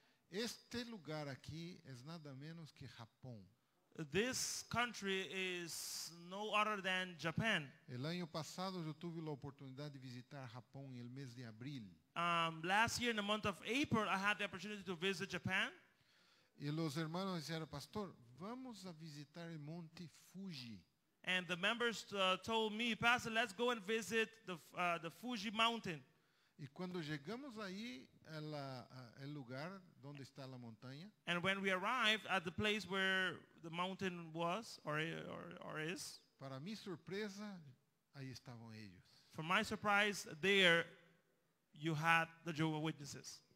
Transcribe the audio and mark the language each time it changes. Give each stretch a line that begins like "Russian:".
Portuguese: Este lugar aqui é nada menos que Japão.
English: This country is no other than Japan.
Portuguese: El ano passado eu tive a oportunidade de visitar Japão em mês de abril.
English: Last year in the month of April I had the opportunity to visit Japan.
Portuguese: E os irmãos disseram, pastor, vamos a visitar o Monte Fuji.
English: And the members told me, pastor, let's go and visit the Fuji Mountain.
Portuguese: E quando chegamos aí, é o lugar onde está a montanha.
English: And when we arrived at the place where the mountain was or is.
Portuguese: Para minha surpresa, aí estavam eles.
English: For my surprise, there you had the Jehovah's Witnesses.